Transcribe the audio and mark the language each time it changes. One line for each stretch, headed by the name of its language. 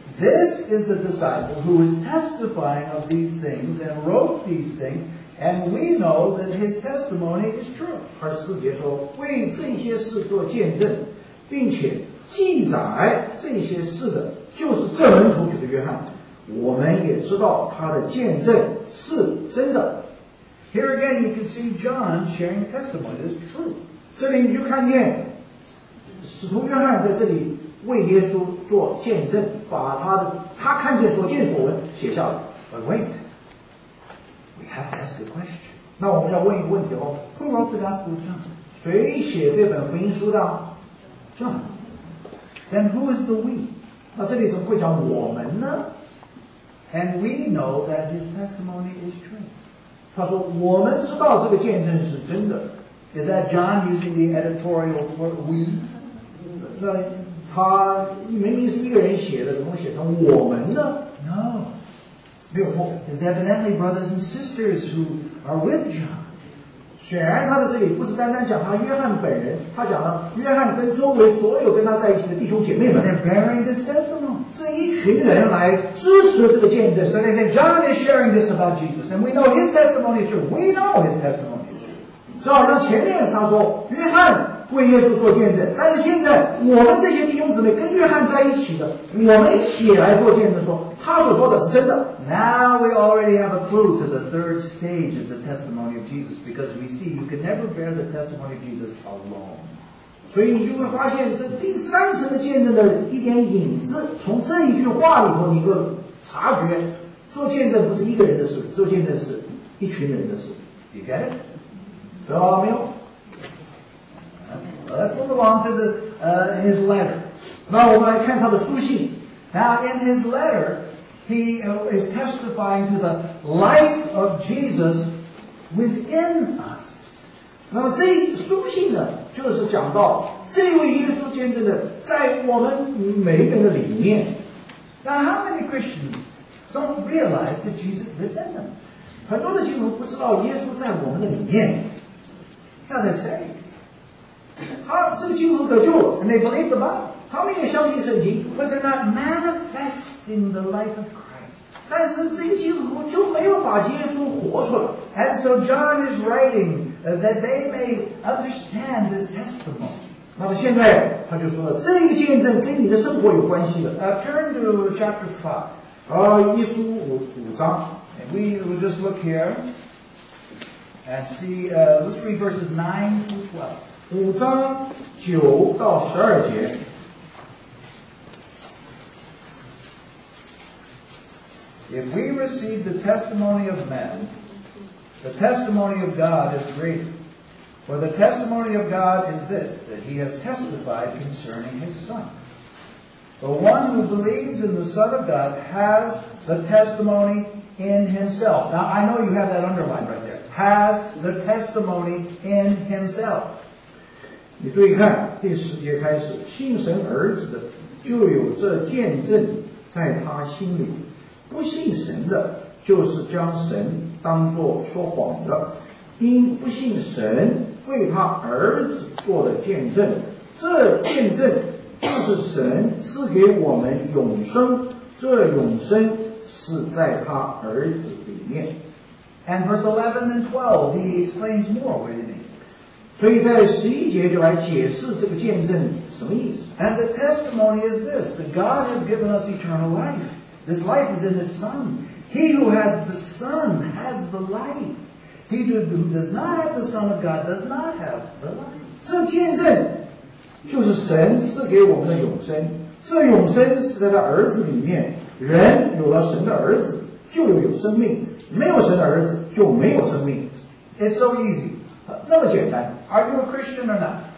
English: This is the disciple who is testifying of these things and wrote these things. And we know that his testimony is true.
Chinese: 24节说，为这些事做见证，并且记载这些事的，就是这门徒，就是约翰。我们也知道他的见证是真的。
English: Here again, you can see John sharing testimony is true.
Chinese: 这里你就看见使徒约翰在这里为耶稣做见证，把他看见所见所闻写下了。
English: But wait. I have to ask a question.
Chinese: 那我们要问一个问题哦。
English: Who wrote the Gospel of John?
Chinese: 谁写这本福音书的
English: ？John. Then who is the we?
Chinese: 那这里怎么会讲我们呢
English: ？And we know that his testimony is true.
Chinese: 他说我们知道这个见证是真的。
English: Is that John using the editorial word we?
Chinese: 那他明明是一个人写的，怎么写成我们呢
English: ？No. Beautiful. It's evidently brothers and sisters who are with John.
Chinese: 显然他在这里不是单单讲他约翰本人，他讲了约翰跟周围所有跟他在一起的弟兄姐妹们。
English: They're bearing this testimony.
Chinese: 这一群人来支持这个见证。
English: So they say John is sharing this about Jesus, and we know his testimony is true. We know his testimony is true.
Chinese: 就好像前面他说约翰为耶稣做见证，但是现在我们这些弟兄姊妹跟约翰在一起的，我们一起来做见证说，说他所说的是真的。
English: Now we already have a clue to the third stage of the testimony of Jesus, because we see you can never bear the testimony of Jesus alone.
Chinese: 所以你就会发现这第三层的见证的一点影子，从这一句话里头你会察觉，做见证不是一个人的事，做见证是一群人的事。
English: You get it?
Chinese: 得到了没有？
English: Let's move along to his letter.
Chinese: 那我们来看他的书信。
English: Now, in his letter, he is testifying to the life of Jesus within us.
Chinese: 那么这书信呢，就是讲到这位耶稣见证的在我们每个人的里面。
English: Now, how many Christians don't realize that Jesus lives in them?
Chinese: 很多的基督徒不知道耶稣在我们的里面。
English: Now, they say.
Chinese: 这个基督徒得救了
English: and they believe the Bible.
Chinese: 他们也相信圣经
English: but they're not manifesting the life of Christ.
Chinese: 但是这个基督徒就没有把耶稣活出来
English: and so John is writing that they may understand this testimony.
Chinese: 那么现在他就说了这个见证跟你的生活有关系的
English: Turn to chapter 5.
Chinese: 耶稣五章
English: and we will just look here and see, let's read verses 9 to 12.
Chinese: 五章九到十二节。
English: If we receive the testimony of men, the testimony of God is greater. For the testimony of God is this, that he has testified concerning his Son. The one who believes in the Son of God has the testimony in himself. Now, I know you have that underlined right there. Has the testimony in himself.
Chinese: 你注意看第十节开始信神儿子的就有这见证在他心里不信神的就是将神当作说谎的因不信神为他儿子做的见证这见证就是神赐给我们永生，这永生是在他儿子里面。
English: And verse 11 and 12, he explains more, what do you mean?
Chinese: 所以在十一节就来解释这个见证什么意思。
English: And the testimony is this, that God has given us eternal life. This life is in His Son. He who has the Son has the life. He who does not have the Son of God does not have the life.
Chinese: 这见证就是神赐给我们的永生，这永生是在他儿子里面，人有了神的儿子就有生命，没有神的儿子就没有生命。
English: It's so easy.
Chinese: 那么简单。
English: Are you a Christian or not?